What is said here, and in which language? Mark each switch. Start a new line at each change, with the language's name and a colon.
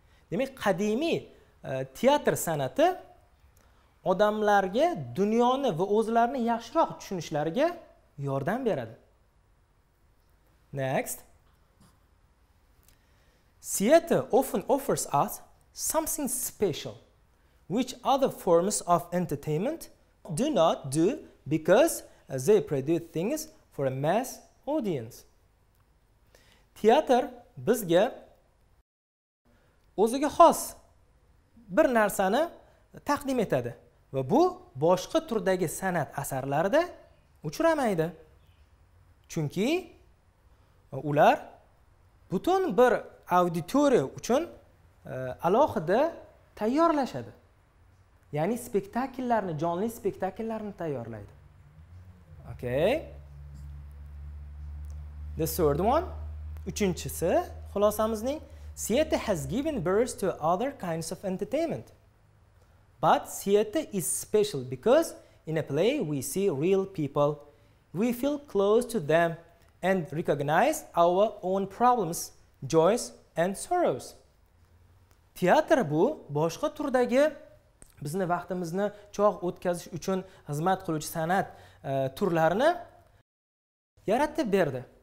Uzbek: Demak, qadimiy teatr san'ati odamlarga dunyoni va o'zlarini yaxshiroq tushunishlariga yordam beradi.
English: Next. Theater often offers us something special which other forms of entertainment do not do because they produce things for a mass audience.
Uzbek: Teatr bizga o'ziga xos bir narsani taqdim etadi va bu boshqa turdagi san'at asarlarida uchramaydi. Chunki ular butun bir auditoriya uchun alohida tayyorlashadi. Ya'ni spektakllarni, jonli spektakllarni tayyorlaydi. Okay.
English: The third one.
Uzbek: Uchinchisi, xulosamizning,
English: theater has given birth to other kinds of entertainment. But theater is special because in a play we see real people. We feel close to them and recognize our own problems, joys and sorrows.
Uzbek: Teatr bu boshqa turdagi bizni vaqtimizni chog' o'tkazish uchun xizmat qiluvchi san'at turlarini yaratib berdi.